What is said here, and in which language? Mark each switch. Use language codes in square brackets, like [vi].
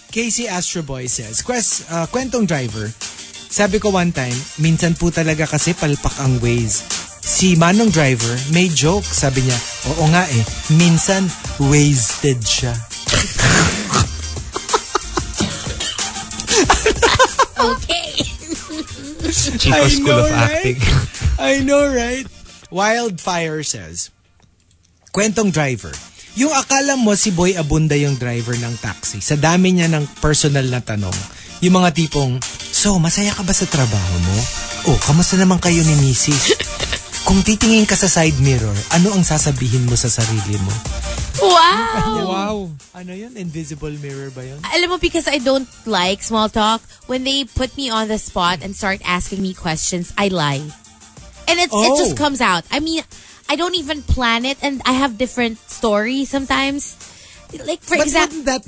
[tl] Casey Astroboy says, Kuwentong driver, Sabi ko [en] one time, [tl] minsan po talaga kasi palpak ang ways. Si Manong Driver, may joke. Sabi niya, oo nga eh, minsan wasted siya. [en] Okay. Chico School of Acting. I know, right? [tl] Wildfire says, Kuwentong Driver, yung akala mo si Boy Abunda yung driver ng taxi, sa dami niya ng personal na tanong. Yung mga tipong, so, masaya ka ba sa trabaho mo? Oh, kamusta naman kayo ni Mrs.? Kung titingin ka sa side mirror, ano ang sasabihin mo sa sarili mo? [en] Wow! [tl] Ano yun? Invisible mirror ba yun? Alam mo, [en] because I don't like small talk, when they put me on the spot and start asking me questions, I lie. And it just comes out. I mean, I don't even plan it and I have different stories sometimes. Like, for example...